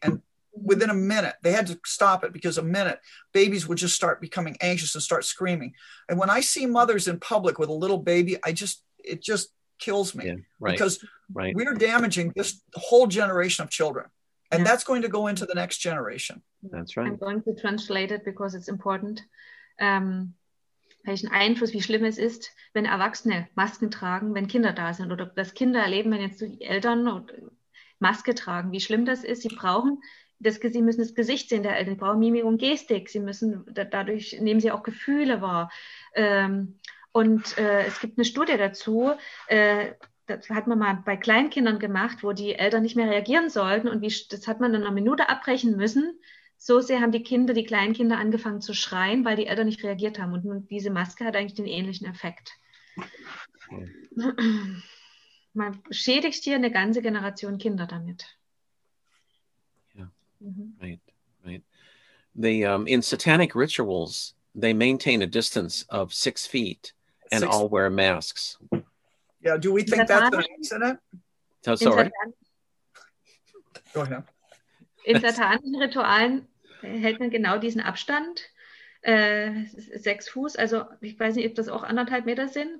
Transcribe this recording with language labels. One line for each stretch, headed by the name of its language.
English: And within a minute, they had to stop it because a minute, babies would just start becoming anxious and start screaming. And when I see mothers in public with a little baby, it just kills me. Yeah, right, because right. we're damaging this whole generation of children. And that's going to go into the next generation. That's right. I'm going to translate it because it's important.
German: Welchen Einfluss, wie schlimm es ist, wenn Erwachsene Masken tragen, wenn Kinder da sind oder das Kinder erleben, wenn jetzt die Eltern Maske tragen, wie schlimm das ist. Sie brauchen das, Sie müssen das Gesicht sehen der Eltern, Sie brauchen Mimik und Gestik. Sie müssen, dadurch nehmen Sie auch Gefühle wahr. Es gibt eine Studie dazu, das hat man mal bei Kleinkindern gemacht, wo die Eltern nicht mehr reagieren sollten und das hat man in einer Minute abbrechen müssen. So sehr haben die Kleinkinder angefangen zu schreien, weil die Eltern nicht reagiert haben. Und diese Maske hat eigentlich den ähnlichen Effekt. Man schädigt hier eine ganze Generation Kinder damit.
English: In satanic rituals, they maintain a distance of 6 feet and Six. all wear masks. Yeah, do we think that's an accident? So In sorry. Satan Go ahead.
German: In satanischen Ritualen hält man genau diesen Abstand, 6 Fuß. Also ich weiß nicht, ob das auch 1,5 Meter sind.